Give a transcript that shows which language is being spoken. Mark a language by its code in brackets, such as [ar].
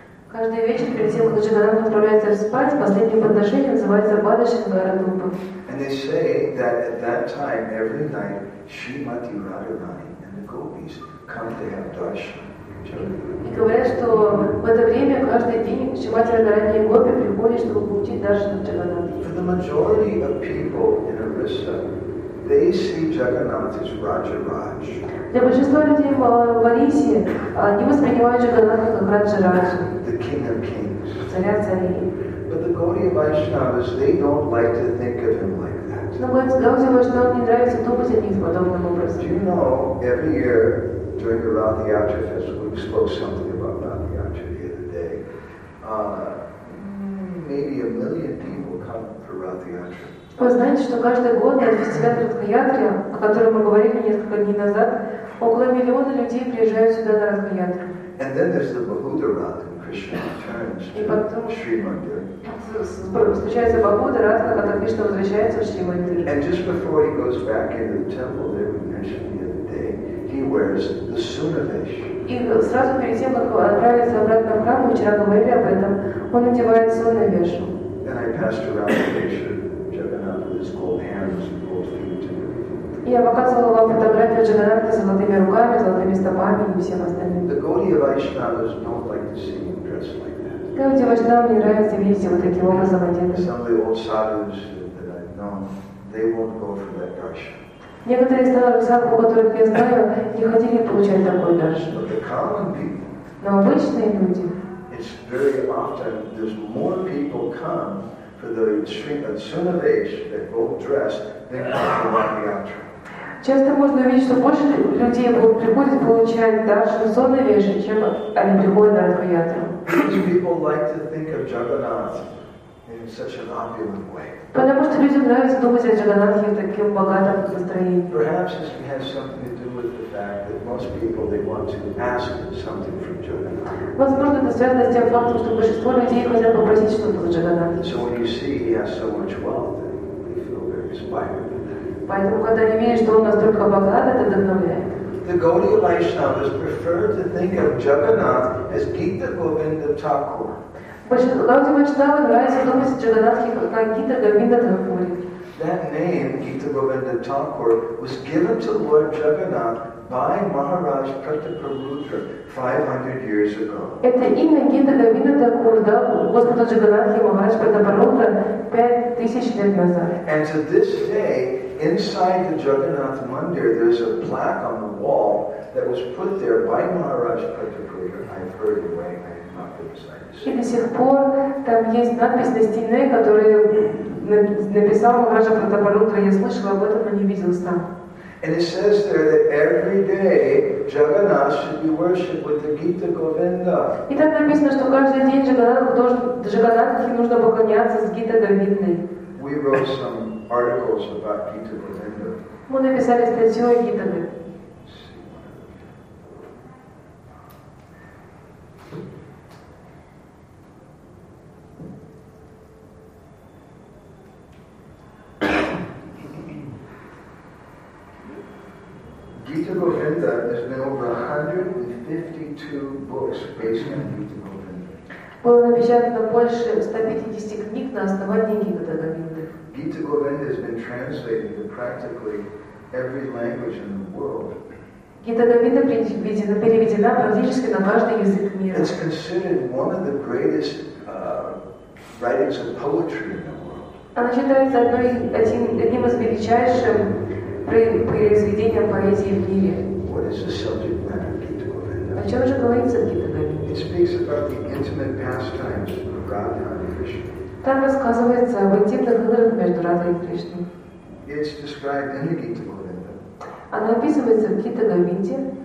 [ru] Каждый вечер перед тем, как Джаганнат отправляется спать, последнее подношение называется Бада Шингара Дупа. [en] And they say that at that time, every night, Shrimati Radharani and the gopis come to have darshan. [ru] И говорят, что в это время каждый день Шримати Радхарани и Гопи приходят, чтобы получить даршан от Джаганнатхи. [en] For the majority of people in Orissa, they see Jagannath as Raja-Raj. [ru] Для большинства людей в Орисе они воспринимают Джаганнатху как Раджа-Радж. [en] The king of kings. [ru] Царя царей. [en] But the Gaudiya Vaishnavas, they don't like to think of him like that. [ru] Но Гаудия Вайшнава не нравится думать о них подобным образом. [en] Do you know, every year during the Radha Yatra festival, we spoke something about Radha Yatra the other day. Maybe 1 million people come for Radha Yatra. [ru] Вы знаете, что каждый год на фестивале Радха Ятры, о котором мы говорили несколько дней назад, около 1 миллиона людей приезжают сюда на Радха Ятру. [en] And then there's the Bahudha Radha. [ru] И потом случается Бахуда Радха, когда Кришна возвращается в Шри Мандир. [en] And just before he goes back into the temple, that we mentioned the other day, he wears the sunavesh. [ru] И сразу перед тем, как отправиться обратно в храм, вчера говорили об этом, он надевает сунавешу. [en] And I passed around the picture Jagannath with his gold hands and gold feet. [ru] Я показывала вам фотографию Джаганнатхи с золотыми руками, золотыми стопами и всем остальным. [en] The Gaudiya Vaishnavas don't like to see him dressed like that. [ru] Gaudiya Vaishnavas не нравится видеть его таким образом одетым. [en] Some of the old sadhus that I know, they won't go for that darshan. [ru] Некоторые старые садху, которых я знаю, не хотели получать такой даршан. [en] But the common people. [ru] Но обычные люди. [en] It's very often there's more people come for the Sunavesh, the gold dress, they come from the Yantra. [ru] Часто можно видеть, что больше людей приходят, получают даршан Сонавеши, чем они приходят на Радху-Ятру. [en] People like to think of Jagannath in such an opulent way. [ru] Потому что людям нравится думать о Джаганнатхе в таком богатом настроении. [en] Perhaps this has something to do with the fact that most people they want to ask something from Jagannath. [ru] Возможно, это связано с тем фактом, что большинство людей хотят попросить что-то за Джаганнатхе. [en] So when you see he has so much wealth, then we feel very inspired. [ru] Поэтому, когда они видят, что он настолько богат, это вдохновляет. [en] The Gaudiya Vaishnavas prefer to think of Jagannath as Gita Govinda Thakur. [ru] Гаудия Вайшнава нравится думать о Джаганнатхе как Гита Говинда Тхакури. [en] That name, Gita Govinda Thakur, was given to Lord Jagannath by Maharaj Prataparudra 500 years ago. [ru] Это имя Гита Говинда Тхакур дал Господу Джаганнатхе Махарадж Пратапарудра 5000 лет назад. [en] And to this day, inside the Jagannath Mandir, there's a plaque on the wall that was put there by Maharaj Pratapurudra. I've heard the way, I have not been excited. [ru] И до сих пор там есть надпись на стене, которую написал Махараджа Пратапарудра. Я слышал об этом, но не видел сам. [en] And it says there that every day Jagannath should be worshipped with the Gita Govinda. [ru] И там написано, что каждый день Джаганнатхе нужно поклоняться с Гита Говиндой. [en] We wrote some articles about Gita Govinda. [ru] Мы написали статью о Гита Говинде. [en] Gita Govinda is in over 152 books based on Gita Govinda. [ru] Было напечатано больше 150 книг на основании Гита Говинды. [en] Gita Govinda has been translated into practically every language in the world. [ru] Гита Говинда переведена практически на каждый язык мира. [en] It's considered one of the greatest writings of poetry in the world. [ru] Она считается одним из величайших произведения поэзии в мире. [en] What is the subject matter of Gita Govinda? [ru] О чем же говорится в Гита Говинде? [en] It speaks about the intimate pastimes of Radha and Krishna. [ru] Там рассказывается об интимных играх между Радхой и Кришной. [en] It's described in the Gita Govinda. [ru] Оно описывается в Гита Говинде.